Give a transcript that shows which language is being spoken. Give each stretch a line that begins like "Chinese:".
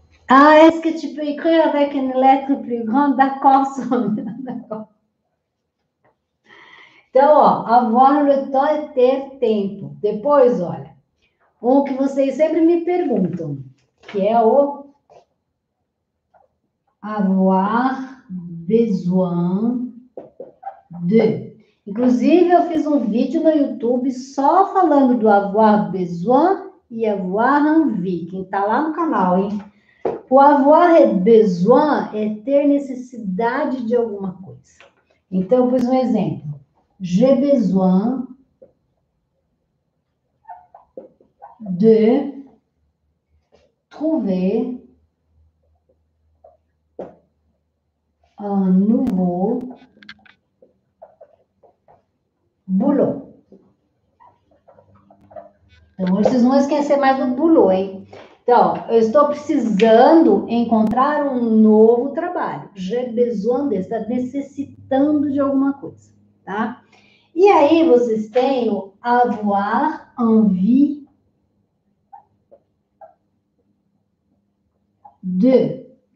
French: Est-ce que tu peux écrire avec une lettre plus grande? D'accord, Sonia. D'accord.
Portuguese: Então, ó, avoir le temps é ter tempo. Depois, olha, um que vocês sempre me perguntam, que é o avoir besoin de. Inclusive, eu fiz um vídeo no YouTube só falando do avoir besoin e avoir envie. Quem tá lá no canal, hein? O avoir besoin é ter necessidade de alguma coisa. Então, eu fiz um exemplo.
French: J'ai besoin de trouver un nouveau boulot.
Portuguese: Então, vocês não vão esquecer mais do boulot, hein? Então, eu estou precisando encontrar um novo trabalho. J'ai besoin de, está necessitando de alguma coisa, tá? E aí, vocês têm o avoir envie de.